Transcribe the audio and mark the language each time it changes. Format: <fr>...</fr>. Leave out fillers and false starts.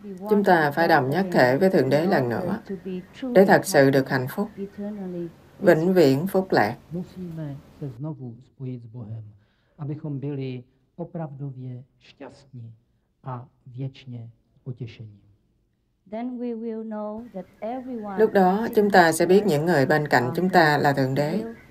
<vi>Chúng ta phải đồng nhất thể với Thượng Đế lần nữa để thật sự được hạnh phúc, vĩnh viễn phúc lạc.</vi> <cs>Musíme se znovu spojit s Bohem, abychom byli opravdově šťastní a věčně potěšení.</cs> <en>Then we will know that everyone.</en> <vi>Lúc đó chúng ta sẽ biết những người bên cạnh chúng ta là Thượng Đế.</vi>